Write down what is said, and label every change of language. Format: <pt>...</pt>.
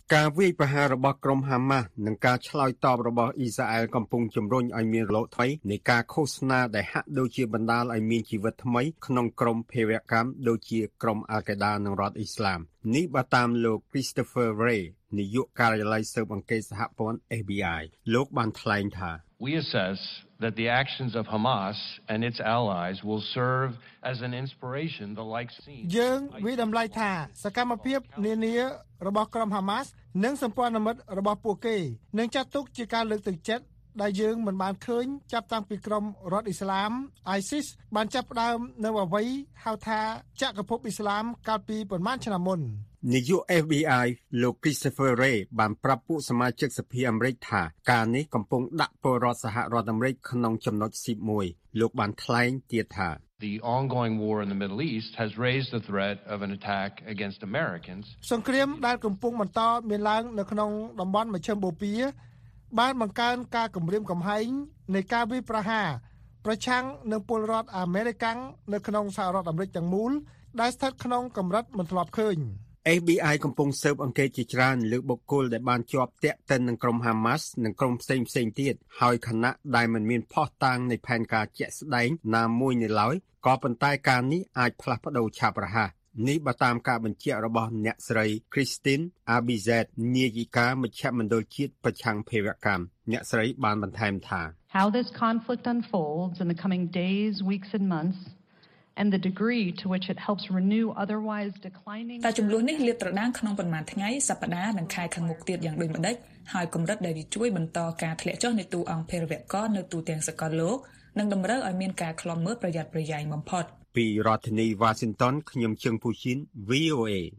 <km>ការវាយប្រហាររបស់ក្រុមហាម៉ាសនិងការឆ្លើយតបរបស់អ៊ីស្រាអែលកំពុងជំរុញឲ្យមានរលកថ្មីនៃការឃោសនាដែលហាក់ដូចជាបណ្តាលឲ្យមានជីវិតថ្មីក្នុងក្រុមភេរវកម្មដូចជាក្រុមអាល់កេដានិងរដ្ឋអ៊ីស្លាមនេះបើតាមលោក Christopher Ray នាយកការិយាល័យស៊ើបអង្កេតសហព័ន្ធ FBI លោកបានថ្លែងថា</km> <en>We assess that the actions of Hamas and its allies will serve as an inspiration the like scene</en> <km>យើងវិតម្លៃថាសកម្មភាពនានារបស់ក្រុម Hamas និងសម្ព័ន្ធមិត្តរបស់ពួកគេនឹងចាត់ទុកជាការលើកទឹកចិត្តដែលយើងមិនបានឃើញចាប់តាំងពីក្រុមរដ្ឋអ៊ីស្លាម ISIS បានចាប់ផ្ដើមនៅអ្វីហៅថាចក្រភពអ៊ីស្លាមកាលពីប្រមាណឆ្នាំមុននាយក FBI លោក Christopher Ray បានប្រាប់ពួកសមាជិកសភាអាមេរិកថាការនេះកំពុងដាក់ពលរដ្ឋសហរដ្ឋអាមេរិកក្នុងចំណុច11លោកបានថ្លែងទៀតថា The ongoing war in the Middle East has raised the threat of an attack against Americans សង្គ្រាមដែលកំពុងបន្តមានឡើងនៅក្នុងតំបន់មជ្ឈិមបូព៌ាបានបង្កើនការគំរាមកំហែងនៃការវាយប្រហារប្រឆាំងនឹងពលរដ្ឋអាមេរិកាំងនៅក្នុងសហរដ្ឋអាមេរិកទាំងមូលដែលស្ថិតក្នុងកម្រិតមិនធ្លាប់ឃើញ FBI កំពុងស៊ើបអង្កេតជាច្រើនលើបុគ្គលដែលបានជាប់ទាក់ទិននឹងក្រុម Hamas និងក្រុមផ្សេងៗទៀតហើយខណៈដែលមិនមានភស្តុតាងនៃផែនការជាក់ស្តែងណាមួយនៅឡើយក៏ប៉ុន្តែការនេះអាចផ្លាស់ប្តូរឆាប់រហ័សនេះបើតាមការបញ្ជាក់របស់អ្នកស្រី Christine Abizet នាយិកាមជ្ឈមណ្ឌលជាតិប្រឆាំងភេរវកម្មអ្នកស្រីបានបន្ថែមថា</km> <en>How this conflict unfolds in the coming days, weeks and months? And the degree to which it helps renew otherwise declining</en> <km>តាចំនួននេះលាតត្រដាងក្នុងប៉ុន្មានថ្ងៃសប្តាហ៍និងខែខាងមុខទៀតយ៉ាងដូចម្តេចហើយកម្រិតដែលវាជួយបន្តការធ្លាក់ចុះនៃទូអង្គភេរវកម្មនៅទូទាំងសកលលោកនិងតម្រូវឲ្យមានការខ្លំមើលប្រយ័ត្នប្រយែងបំផុត ពីរដ្ឋធានី Washington ខ្ញុំជឹងពូជីន VOA</km>